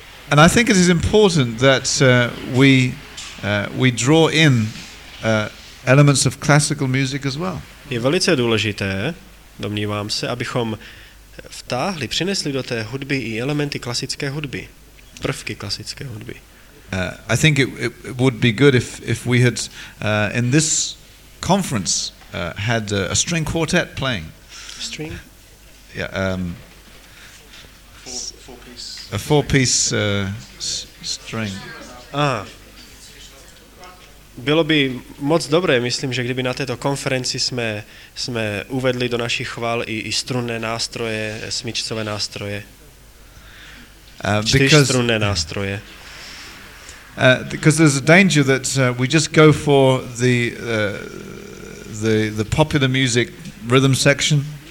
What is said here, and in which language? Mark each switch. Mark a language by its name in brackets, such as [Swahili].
[English] And I think it is important that we draw in elements of classical music as well. [Czech] Je velice důležité, domnívám se, abychom vtáhli, přinesli do té hudby i elementy klasické hudby, prvky klasické hudby. [English] I think it would be good if we had in this conference had a string quartet playing. String? Yeah. Four-piece string. Aha. [Czech] Bylo by moc dobré, myslím, že kdyby na této konferenci jsme uvedli do našich chval i strunné nástroje, smyčcové nástroje. Čtyřstrunné nástroje. [English] Because there's a danger that we just go for the popular music rhythm section.